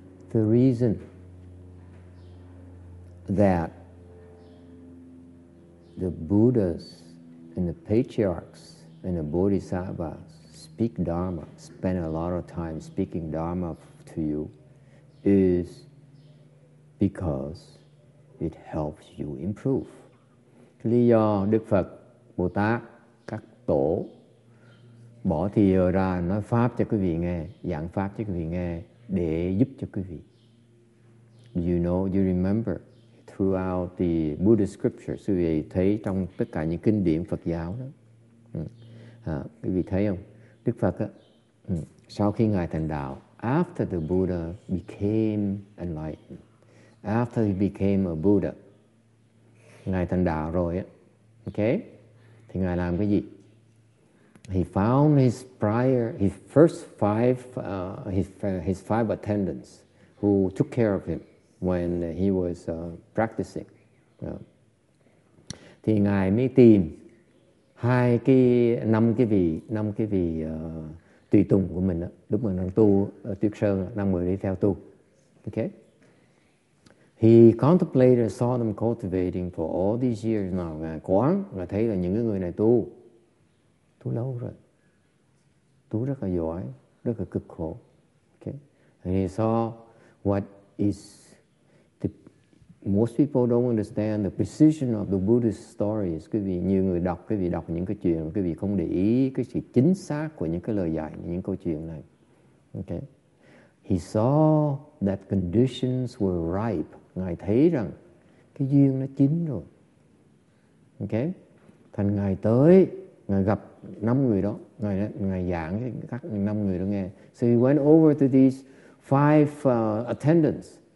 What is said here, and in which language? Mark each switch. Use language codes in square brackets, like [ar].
[en] The reason that the Buddhas and the patriarchs and the Bodhisattvas speak Dharma, spend a lot of time speaking Dharma to you, is because it helps you improve. [vi] Lý do Đức Phật, Bồ Tát, các tổ bỏ thì giờ ra nói pháp cho quý vị nghe, giảng pháp cho quý vị nghe để giúp cho quý vị. [en] You know, you remember throughout the Buddhist scriptures, [vi] quý vị thấy trong tất cả những kinh điển Phật giáo đó. Quý vị thấy không? Đức Phật á, sau khi Ngài thành đạo, [en] after the Buddha became enlightened, after he became a Buddha, [vi] Ngài thành đạo rồi á, okay? Thì Ngài làm cái gì? [en] He found his prior, his first five, his five attendants who took care of him when he was practicing. [vi] Thì Ngài mới tìm hai cái, năm cái vị tùy tùng của mình đó, lúc mình đang tu Tuyết Sơn, năm người đi theo tu. Okay. [en] He contemplated, saw them cultivating for all these years now. [vi] Ngài quán, Ngài thấy là những cái người này tu, tu lâu rồi, tu rất là giỏi, rất là cực khổ. Okay. [en] And he saw what is most people don't understand the precision of the Buddhist stories. [vi] Quý vị, nhiều người đọc, quý vị đọc những cái chuyện, quý vị không để ý cái sự chính xác của những cái lời dạy, những câu chuyện này. Okay. [en] He saw that conditions were ripe. [vi] Ngài thấy rằng cái duyên nó chín rồi. Okay. Thành Ngài tới, Ngài gặp năm người đó, Ngài giảng cho các năm người đó nghe. [en] So he went over to these five attendants.